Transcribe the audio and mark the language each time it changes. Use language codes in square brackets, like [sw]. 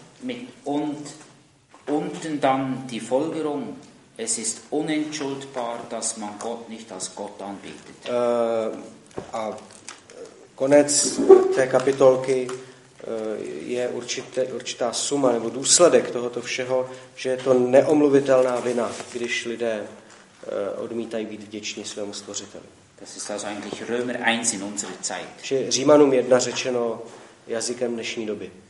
[de] Mit und unten dann die Folgerung, es ist unentschuldbar, dass man Gott nicht als Gott anbietet. [cs] A konec té kapitolky je určitá suma nebo důsledek tohoto všeho, že je to neomluvitelná vina, když lidé odmítají být vděční svému stvořiteli. [de] Das ist also eigentlich Römer 1 in unserer Zeit. [cs] Že Římanům 1 řečeno jazykem dnešní doby.